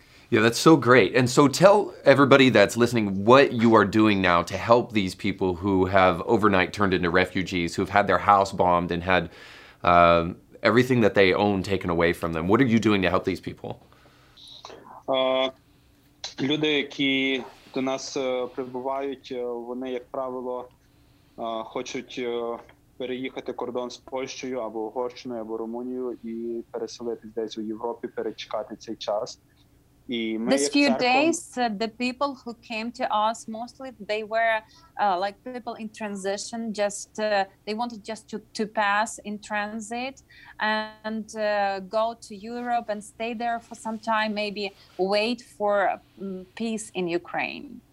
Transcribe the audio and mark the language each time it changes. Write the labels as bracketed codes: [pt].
[en] Yeah, that's so great. And so tell everybody that's listening what you are doing now to help these people who have overnight turned into refugees, who've had their house bombed and had everything that they own taken away from them. What are you doing to help these people? [uk] Люди, які до нас прибувають, вони, як правило, хочуть переїхати кордон з Польщею або Угорщиною або Румунією і переселитись десь у Європі, перечекати цей час. [en] These few days, the people who came to us, mostly they were like people in transition, just they wanted just to pass in transit and go to Europe and stay there for some time, maybe wait for peace in Ukraine.